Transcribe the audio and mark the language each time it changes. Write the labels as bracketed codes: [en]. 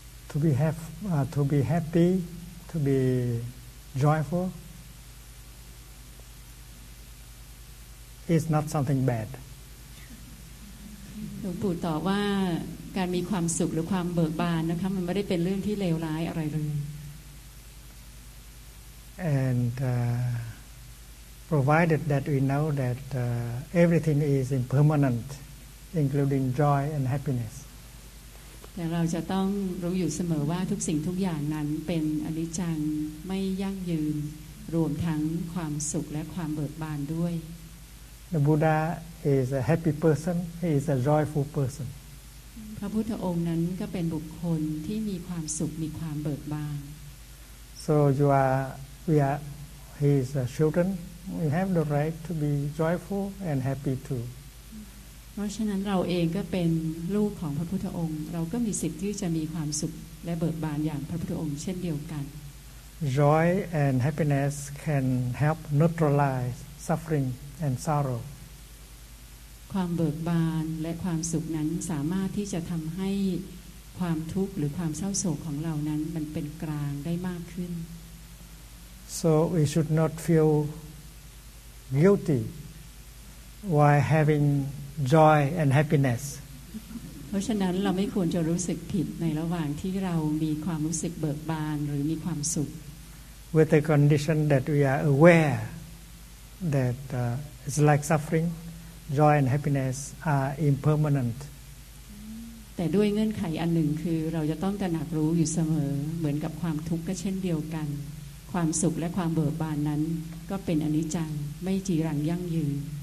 [en] To be happy, to be joyful is not something bad. [th] หลวงปู่ตอบว่าการมีความสุขหรือความเบิกบานนะคะมันไม่ได้เป็นเรื่องที่เลวร้ายอะไรเลย [en] And provided that we know that everything is impermanent, including joy and happiness. [th] แต่เราจะต้องรู้อยู่เสมอว่าทุกสิ่งทุกอย่างนั้นเป็นอนิจจังไม่ยั่งยืนรวมทั้งความสุขและความเบิกบานด้วย [en] The Buddha is a happy person. He is a joyful person. [th] พระพุทธองค์นั้นก็เป็นบุคคลที่มีความสุขมีความเบิกบาน [en] So you are, we are his children. We have the right to be joyful and happy too. [th] เพราะฉะนั้นเราเองก็เป็นลูกของพระพุทธองค์เราก็มีสิทธิ์ที่จะมีความสุขและเบิกบานอย่างพระพุทธองค์เช่นเดียวกัน [en] Joy and happiness can help neutralize suffering and sorrow [th] ความเบิกบานและความสุขนั้นสามารถที่จะทำให้ความทุกข์หรือความเศร้าโศกของเรานั้นมันเป็นกลางได้มากขึ้น [en] So we should not feel guilty while havingJoy and happiness. [th] เพราะฉะนั้นเราไม่ควรจะรู้สึกผิดในระหว่างที่เรามีความรู้สึกเบิกบานหรือมีความสุข [en] With the condition that we are aware that it's like suffering, joy and happiness are impermanent. [th] แต่ด้วยเงื่อนไขอันหนึ่งคือเราจะต้องตระหนักรู้อยู่เสมอเหมือนกับความทุกข์ก็เช่นเดียวกันความสุขและความเบิกบานนั้นก็เป็นอนิจจังไม่จีรังยั่งยืน